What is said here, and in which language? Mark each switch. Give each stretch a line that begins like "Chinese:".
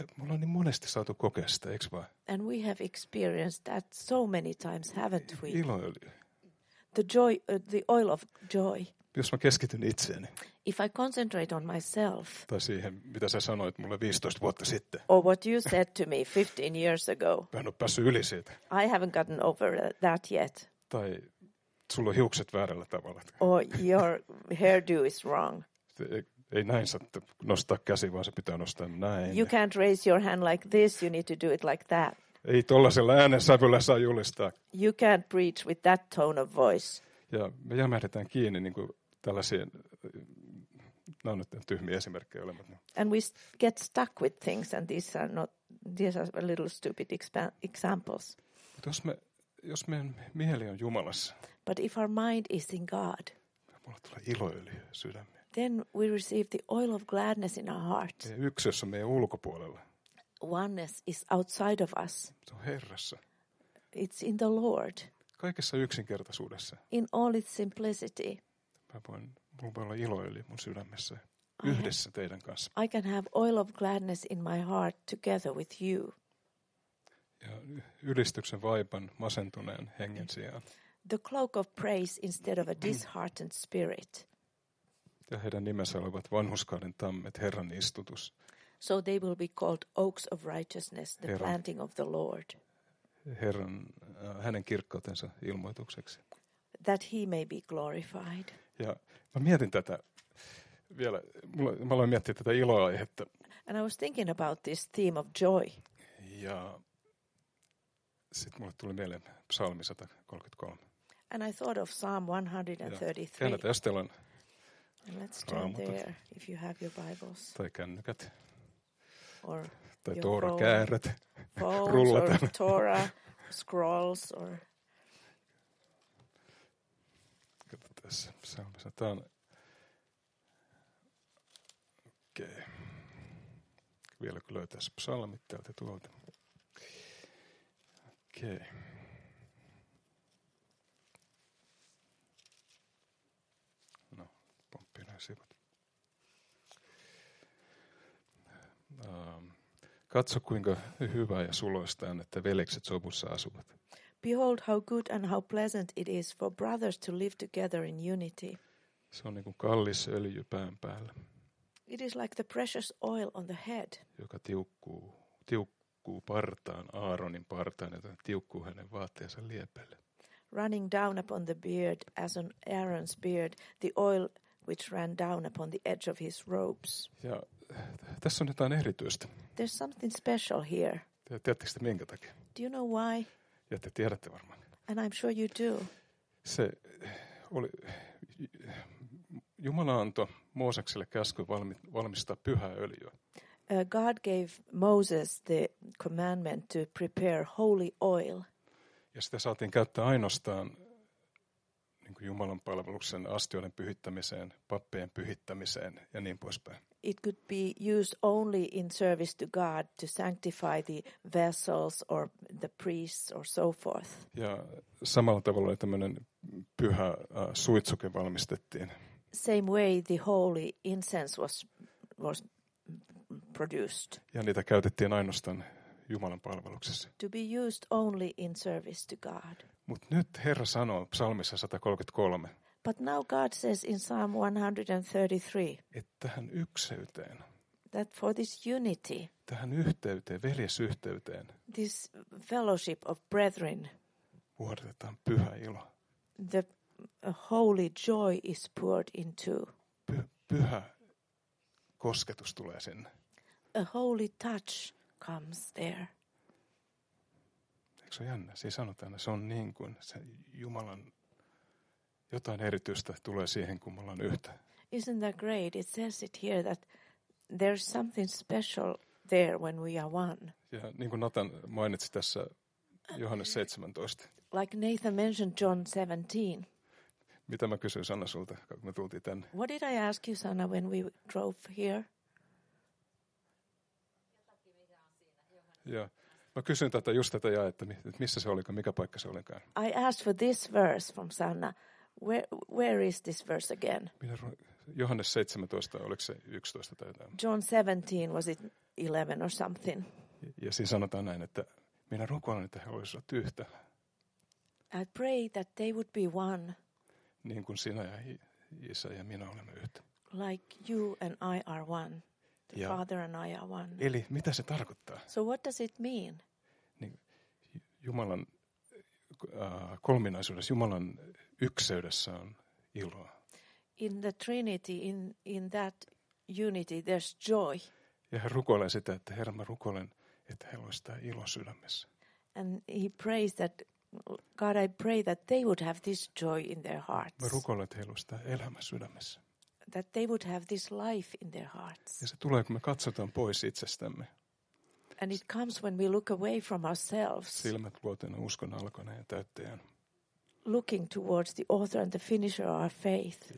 Finnish: Ja me ollaan niin monesti saatu kokea sitä, eikö vaan?
English: And we have experienced that so many times, haven't we?
Finnish: Iloöljyä.
English: The joy, the oil of joy.
Finnish: Jos mä keskityn itseeni.
English: If I concentrate on myself.
Finnish: Tai siihen, mitä sä sanoit mulle 15 vuotta sitten.
English: Or what you said to me 15 years ago.
Finnish: Mä en ole päässyt yli siitä.
English: I haven't gotten over that yet.
Finnish: Tai sulla on hiukset väärällä tavalla.
English: Or your hairdo is wrong.
Finnish: Ei näin saa nostaa käsi, vaan se pitää nostaa näin.
English: You can't raise your hand like this, you need to do it like that.
Finnish: Ei tollaisella äänensävyllä saa julistaa.
English: You can't preach with that tone of voice.
Finnish: Ja me jämähdetään kiinni niin kuin tällaisiin, nämä on nyt tyhmiä esimerkkejä olemassa.
English: And we get stuck with things and these are a little stupid examples. But
Finnish: jos meidän mieli on Jumalassa.
English: But if our mind is in God.
Finnish: Mulla tulee iloöljyä sydämeen.
English: Then we receive the oil of gladness in our hearts.
Finnish: Ja yksyys on meidän ulkopuolella.
English: Oneness is outside of us.
Finnish: Se on Herrassa.
English: It's in the Lord.
Finnish: Kaikessa yksinkertaisuudessa.
English: In all its simplicity.
Finnish: Mulla voi olla iloöljy mun sydämessä yhdessä teidän kanssa.
English: I can have oil of gladness in my heart together with you.
Finnish: Ja ylistyksen vaipan masentuneen hengen sijaan.
English: The cloak of praise instead of a disheartened spirit.
Finnish: Ja heidän nimensä olivat vanhuskauden tammet, Herran istutus.
English: So they will be called oaks of righteousness, the Herran. Planting of the Lord.
Finnish: Herran, hänen kirkkautensa ilmoitukseksi.
English: That he may be glorified.
Finnish: Ja mä mietin tätä vielä, mä aloin miettiä tätä iloaihetta.
English: And I was thinking about this theme of joy.
Finnish: Ja sitten mulle tuli mieleen psalmi 133.
English: And I thought of Psalm 133.
Finnish: Käännetään, jos teillä on raamatut.
English: Let's turn there, if you have your Bibles.
Finnish: Tai kännykät.
English: Or
Finnish: tai Toora-kääröt.
English: Phones
Finnish: rullata.
English: Or Torah, scrolls or...
Finnish: Psalmissa. Tämä on, okei, okay. Vielä kun löytäisi psalmit täältä tuolta, okei, tunnesivat. Katso, kuinka hyvä ja suloista on, että veljekset sovussa asuvat.
English: Behold how good and how pleasant it is for brothers to live together in unity.
Finnish: Se on niin kuin kallis öljy pään päällä.
English: It is like the precious oil on the head.
Finnish: Joka tiukkuu partaan, Aaronin partaan, joten tiukkuu hänen vaatteensa liepelle.
English: Running down upon the beard as on Aaron's beard, the oil which ran down upon the edge of his robes.
Finnish: Ja tässä on jotain erityistä.
English: There's something special here.
Finnish: Tiedättekö te minkä takia?
English: Do you know why?
Finnish: Ja te tiedätte varmaan.
English: And I'm sure you do.
Finnish: Se oli Jumala antoi Moosekselle käsky valmistaa pyhää öljyä.
English: God gave Moses the commandment to prepare holy oil.
Finnish: Ja sitä saatiin käyttää ainoastaan niin kuin Jumalan palveluksen astioiden pyhittämiseen, pappien pyhittämiseen ja niin poispäin.
English: It could be used only in service to God to sanctify the vessels or the priests or so forth.
Finnish: Ja samalla tavalla tämmöinen pyhä suitsuke valmistettiin.
English: Same way the holy incense was produced.
Finnish: Ja niitä käytettiin ainoastaan Jumalan palveluksessa.
English: To be used only in service to God.
Finnish: Mut nyt Herra sanoo psalmissa 133.
English: But now God says in Psalm 133.
Finnish: Että tähän ykseyteen.
English: That for this unity.
Finnish: Tähän yhteyteen, veljesyhteyteen.
English: This fellowship of brethren.
Finnish: Vuodatetaan pyhä ilo.
English: The holy joy is poured into.
Finnish: Pyhä kosketus tulee sinne.
English: A holy touch comes there.
Finnish: Eikö se ole jännä? Siinä sanotaan, että se on niin kuin se Jumalan jotain erityistä tulee siihen, kun me ollaan yhtä.
English: Isn't that great? It says it here that there's something special there when we are one.
Finnish: Ja niin kuin Nathan mainitsi tässä Johannes 17.
English: Like Nathan mentioned John 17.
Finnish: Mitä mä kysyin Sanna sulta, kun me tultiin tänne?
English: What did I ask you, Sanna, when we drove here?
Finnish: Joo. Mä kysyin tätä just tätä jaetta, että missä se olikaan, mikä paikka se olikaan.
English: I asked for this verse from Sanna. Where is this verse again?
Finnish: Johannes 17, oliko se 11 tai jotain?
English: John 17, was it 11 or something?
Finnish: Ja siinä sanotaan näin, että minä rukoilen, että he olisivat yhtä.
English: I pray that they would be one.
Finnish: Niin kuin sinä ja isä ja minä olemme yhtä.
English: Like you and I are one. The
Finnish: ja
English: father and I are one.
Finnish: Eli mitä se tarkoittaa?
English: So what does it mean?
Finnish: Niin, Jumalan kolminaisuudessa, Jumalan ykseydessä on iloa.
English: In the Trinity, in that unity, there's joy.
Finnish: Ja hän rukoilee sitä, että Herra, mä rukoilen, että heillä olisi tämä ilo sydämessä.
English: And he prays that, God, I pray that they would have this joy in their hearts.
Finnish: Mä rukoilen, että heillä olisi tämä elämä sydämessä.
English: That they would have this life in their hearts.
Finnish: Ja se tulee, kun me katsotaan pois itsestämme.
English: And it comes when we look away from ourselves.
Finnish: Silmät luoten uskon alkaneen ja täyttäjän.
English: Looking towards the author and the finisher of our faith.